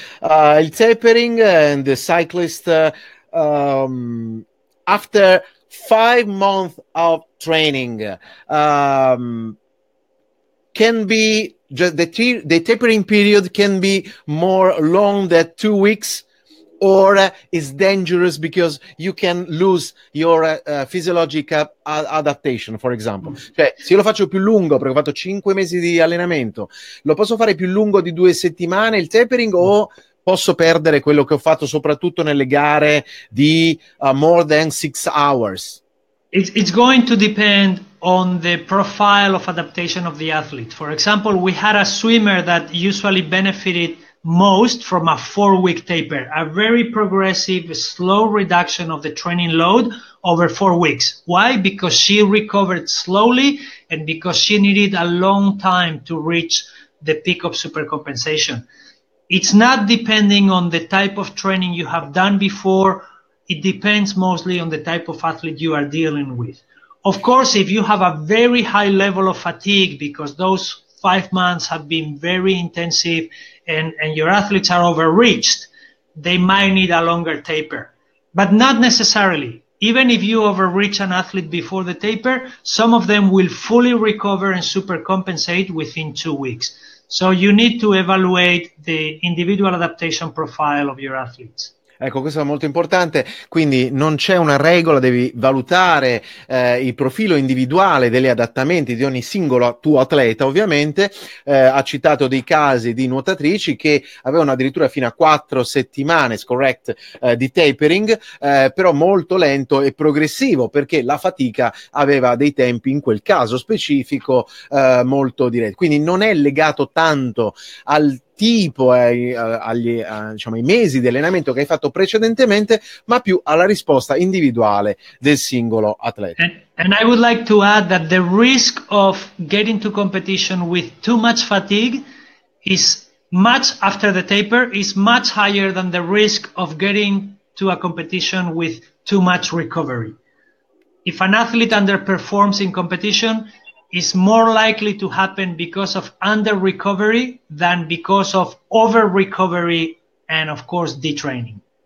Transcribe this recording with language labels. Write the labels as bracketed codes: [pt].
[en] Il tapering and the cyclist, after 5 months of training, can be just the tapering period can be more long than 2 weeks, or is dangerous because you can lose your physiological adaptation, for example. [it] Cioè, se io lo faccio più lungo, perché ho fatto 5 mesi di allenamento, lo posso fare più lungo di 2 settimane il tapering, o posso perdere quello che ho fatto soprattutto nelle gare di [en] more than 6 hours? It's going to depend on the profile of adaptation of the athlete. For example, we had a swimmer that usually benefited most from a 4-week taper, a very progressive, slow reduction of the training load over 4 weeks. Why? Because she recovered slowly and because she needed a long time to reach the peak of supercompensation. It's not depending on the type of training you have done before. It depends mostly on the type of athlete you are dealing with. Of course, if you have a very high level of fatigue because those 5 months have been very intensive and your athletes are overreached, they might need a longer taper. But not necessarily. Even if you overreach an athlete before the taper, some of them will fully recover and supercompensate within 2 weeks. So you need to evaluate the individual adaptation profile of your athletes. [it] Ecco, questo è molto importante. Quindi non c'è una regola, devi valutare il profilo individuale degli adattamenti di ogni singolo tuo atleta, ovviamente. Ha citato dei casi di nuotatrici che avevano addirittura fino a 4 settimane, correct, di tapering, però molto lento e progressivo, perché la fatica aveva dei tempi, in quel caso specifico, molto diretti. Quindi non è legato tanto al tipo ai mesi di allenamento che hai fatto precedentemente, ma più alla risposta individuale del singolo atleta. [en] And I would like to add that the risk of getting to competition with too much fatigue is much after the taper is much higher than the risk of getting to a competition with too much recovery. If an athlete underperforms in competition, is more likely to happen because of under recovery than because of over recovery and of course detraining.